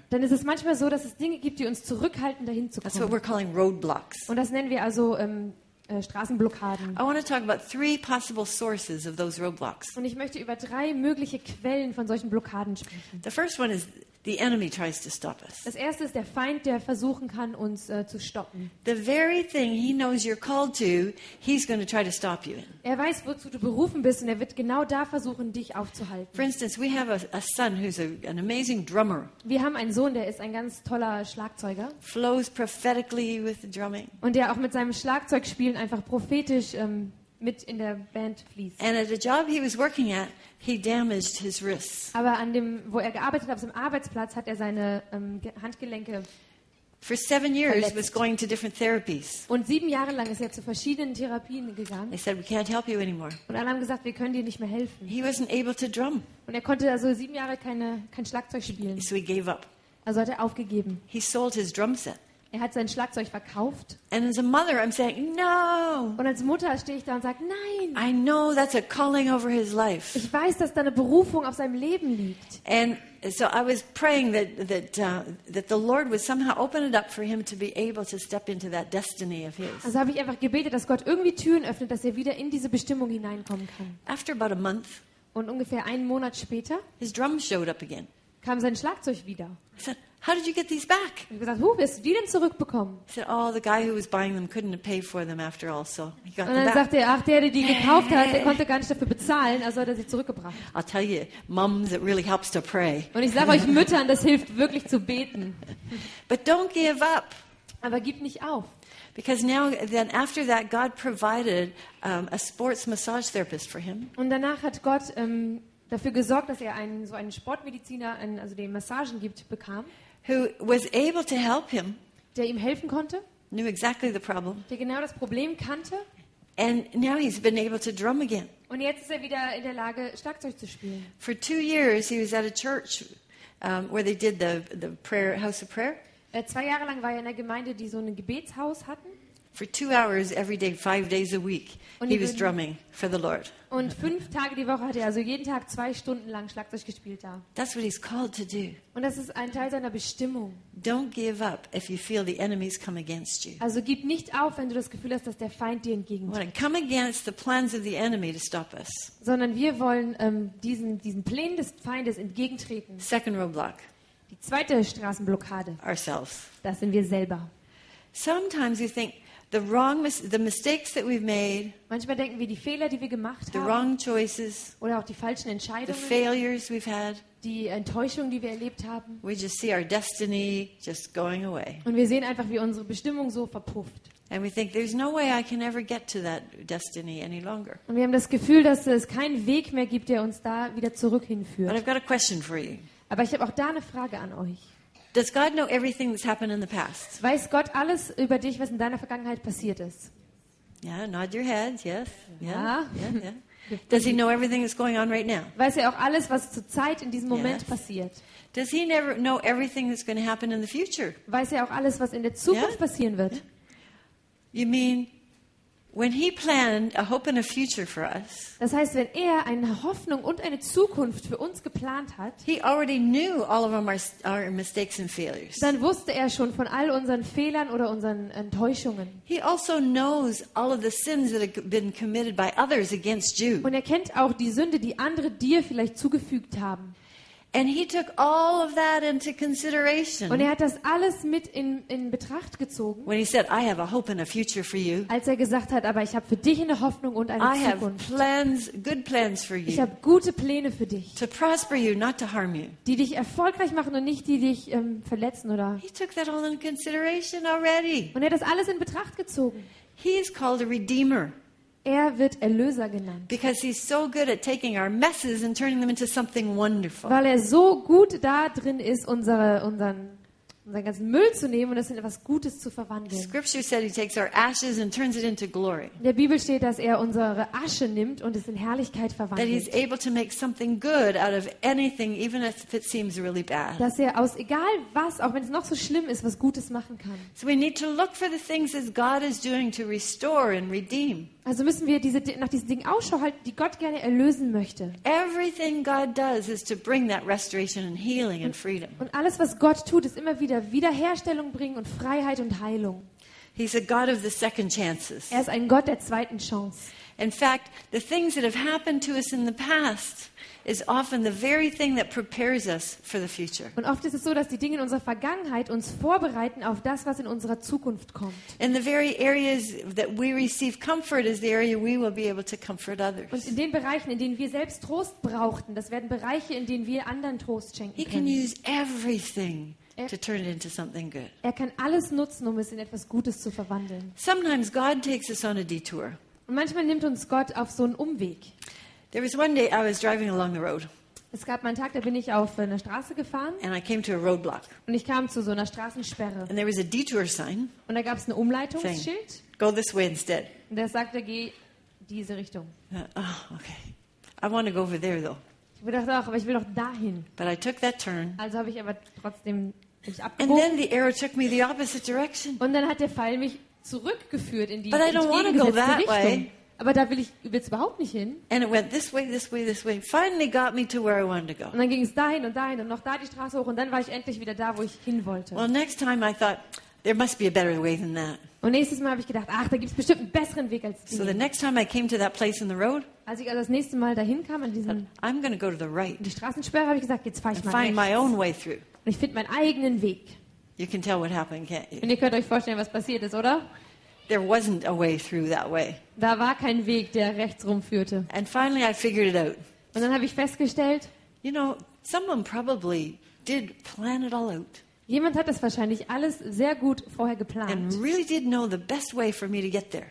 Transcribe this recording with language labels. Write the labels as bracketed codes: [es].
[de] Dann ist es manchmal so, dass es Dinge gibt, die uns zurückhalten, dahin zu kommen. [en] That's what we're calling roadblocks. [de] Und das nennen wir also Straßenblockaden. [en] I want to talk about three possible sources of those roadblocks. [de] Und ich möchte über drei mögliche Quellen von solchen Blockaden sprechen. [en] The first one is the enemy tries to stop us. [de] Das erste ist der Feind, der versuchen kann, uns zu stoppen. [en] The very thing he knows you're called to, he's going to try to stop you in. [de] Er weiß, wozu du berufen bist, und er wird genau da versuchen, dich aufzuhalten. [en] For instance, we have a son who's an amazing drummer. [de] Wir haben einen Sohn, der ist ein ganz toller Schlagzeuger. [en] Flows prophetically with the drumming. [de] Und der auch mit seinem Schlagzeugspielen einfach prophetisch mit in der Band fließt. [en] And at a job he was working at, he damaged his wrists. [de] Aber an dem, wo er gearbeitet hat, auf seinem Arbeitsplatz, hat er seine Handgelenke [en] for 7 years [de] verletzt. [en] Was going to different therapies. [de] Und 7 Jahre lang ist er zu verschiedenen Therapien gegangen. [en] They said, we can't help you anymore. [de] Und alle haben gesagt, wir können dir nicht mehr helfen. [en] He wasn't able to drum. [de] Und er konnte also 7 Jahre kein Schlagzeug spielen. [en] So he gave up. [de] Also hat er aufgegeben. [en] He sold his drum set. [de] Er hat sein Schlagzeug verkauft. [en] And as a mother, I'm saying, no. [de] Und als Mutter stehe ich da und sage, nein. [en] I know that's a calling over his life. [de] Ich weiß, dass da eine Berufung auf seinem Leben liegt. [en] And so I was praying that the Lord would somehow open it up for him to be able to step into that destiny of his. [de] Also habe ich einfach gebetet, dass Gott irgendwie Türen öffnet, dass er wieder in diese Bestimmung hineinkommen kann. [en] After about a month. [de] Und ungefähr einen Monat später. [en] His drum showed up again. [de] Kam sein Schlagzeug wieder. [en] How did you get these back? [de] Und gesagt, wo hast du die denn zurückbekommen? [en] He said, oh, the guy who was buying them couldn't pay for them after all, so he got them back. [de] Und dann sagte er, ach, der die gekauft hat, der konnte gar nicht dafür bezahlen, also hat er sie zurückgebracht. [en] I'll tell you, moms, it really helps to pray. [de] Und ich sage euch Müttern, das hilft wirklich zu beten. [en] But don't give up. [de] Aber gib nicht auf. [en] Because now, then after that, God provided a sports massage therapist for him. [de] Und danach hat Gott dafür gesorgt, dass er einen Sportmediziner, also den Massagen gibt, bekam. [en] Who was able to help him? [de] Der ihm helfen konnte. [en] Knew exactly the problem. [de] Der genau das Problem kannte. [en] And now he's been able to drum again. [de] Und jetzt ist er wieder in der Lage, Schlagzeug zu spielen. [en] For 2 years he was at a church where they did the prayer house of prayer. [de] 2 Jahre lang war er in einer Gemeinde, die so ein Gebetshaus hatten. [en] For 2 hours every day, 5 days a week, he was drumming for the Lord. [de] Und 5 Tage die Woche hat er also jeden Tag 2 Stunden lang Schlagzeug gespielt da. [en] That's what he's called to do. [de] Und das ist ein Teil seiner Bestimmung. [en] Don't give up if you feel the enemies come against you. [de] Also gib nicht auf, wenn du das Gefühl hast, dass der Feind dir entgegentritt. [en] Come against the plans of the enemy to stop us. [de] Sondern wir wollen diesen Plänen des Feindes entgegentreten. [en] Second roadblock. [de] Die zweite Straßenblockade. [en] Ourselves. [de] Das sind wir selber. [en] Sometimes you think the mistakes that we've made. [de] Manchmal denken wir die Fehler, die wir gemacht haben. [en] The wrong choices. [de] Oder auch die falschen Entscheidungen. [en] The failures we've had. [de] Die Enttäuschung, die wir erlebt haben. [en] We just see our destiny just going away. [de] Und wir sehen einfach, wie unsere Bestimmung so verpufft. [en] And we think there's no way I can ever get to that destiny any longer. [de] Und wir haben das Gefühl, dass es keinen Weg mehr gibt, der uns da wieder zurück hinführt. [en] But I've got a question for you. [de] Aber ich habe auch da eine Frage an euch. [en] Does God know everything that's happened in the past? [de] Weiß Gott alles über dich, was in deiner Vergangenheit passiert ist? [en] Yeah, nod your head, yes. Yeah. [de] Ja. [en] Yeah, yeah. Does he know everything that's going on right now? [de] Weiß er auch alles, was zurzeit in diesem Moment passiert? [en] Does he never know everything that's going to happen in the future? [de] Weiß er auch alles, was in der Zukunft passieren wird? [en] You mean when he planned a hope and a future for us? [de] Das heißt, wenn er eine Hoffnung und eine Zukunft für uns geplant hat, [en] he already knew all of our mistakes and failures. [de] Dann wusste er schon von all unseren Fehlern oder unseren Enttäuschungen. [en] He also knows all of the sins that have been committed by others against you. [de] Und er kennt auch die Sünde, die andere dir vielleicht zugefügt haben. [en] And he took all of that into consideration. [de] Und er hat das alles mit in Betracht gezogen. [en] When he said, "I have a hope and a future for you." [de] Als er gesagt hat, aber ich habe für dich eine Hoffnung und eine Zukunft. [en] I have plans, good plans for you. [de] Ich habe gute Pläne für dich. [en] To prosper you, not to harm you. [de] Die dich erfolgreich machen und nicht die dich verletzen oder. [en] He took that all into consideration already. [de] Und er hat das alles in Betracht gezogen. [en] He is called a redeemer. [de] Er wird Erlöser genannt. [en] Because he's so good at taking our messes and turning them into something wonderful. [de] Weil er so gut da drin ist, unseren ganzen Müll zu nehmen und es in etwas Gutes zu verwandeln. [en] Scripture said he takes our ashes and turns it into glory. [de] In der Bibel steht, dass er unsere Asche nimmt und es in Herrlichkeit verwandelt. [en] That he's able to make something good out of anything, even if it seems really bad. [de] Dass er aus egal was, auch wenn es noch so schlimm ist, was Gutes machen kann. [en] So we need to look for the things that God is doing to restore and redeem. [de] Also müssen wir diese, nach diesen Dingen Ausschau halten, die Gott gerne erlösen möchte. [en] Everything God does is to bring that restoration and healing and freedom. [de] Und alles, was Gott tut, ist immer wieder Wiederherstellung bringen und Freiheit und Heilung. [en] He's a God of the second chances. [de] Er ist ein Gott der zweiten Chance. [en] In fact, the things that have happened to us in the past is often the very thing that prepares us for the future. [de] Und oft ist es so, dass die Dinge in unserer Vergangenheit uns vorbereiten auf das, was in unserer Zukunft kommt. [en] In the very areas that we receive comfort is the area we will be able to comfort others. [de] Und in den Bereichen, in denen wir selbst Trost brauchten, das werden Bereiche, in denen wir anderen Trost schenken können. [en] He can use everything to turn it into something good. [de] Er kann alles nutzen, um es in etwas Gutes zu verwandeln. [en] Sometimes God takes us on a detour. [de] Und manchmal nimmt uns Gott auf so einen Umweg. [en] There was one day I was driving along the road. [de] Es gab einen Tag, da bin ich auf einer Straße gefahren. [en] And I came to a roadblock. [de] Und ich kam zu so einer Straßensperre. [en] And there was a detour sign. [de] Und da gab es ein Umleitungsschild. [en] Go this way instead. [de] Und der sagte, geh diese Richtung. [en] Oh, okay. I want to go over there though. [de] Ich dachte auch, aber ich will doch dahin. [en] But I took that turn. [de] Also habe ich aber trotzdem mich abgebogen. [en] And then the arrow took me the opposite direction. [de] Und dann hat der Pfeil mich zurückgeführt in die entgegengesetzte Richtung. Aber da will's überhaupt nicht hin. [en] And it went this way, this way, this way. Finally got me to where I wanted to go. [de] Und dann ging es dahin und dahin und noch da die Straße hoch und dann war ich endlich wieder da, wo ich hin wollte. [en] Well, next time I thought there must be a better way than that. [de] Und nächstes Mal habe ich gedacht, ach, da gibt's bestimmt einen besseren Weg als den. [en] So the next time I came to that place in the road. [de] Als ich also das nächste Mal dahin kam an diesen. [en] I'm going to go to the right. [de] Die Straßensperre habe ich gesagt, jetzt fahre ich mal rechts. [en] Find my own way through. [de] Und ich finde meinen eigenen Weg. [en] You can tell what happened, can't you? [de] Und ihr könnt euch vorstellen, was passiert ist, oder? [en] There wasn't a way through that way. [de] Da war kein Weg, der rechts rumführte. [en] And finally I figured it out. [de] Und dann habe ich festgestellt, [en] you know, someone probably did plan it all out. [de] Jemand hat das wahrscheinlich alles sehr gut vorher geplant. [en] And really did know the best way for me to get there.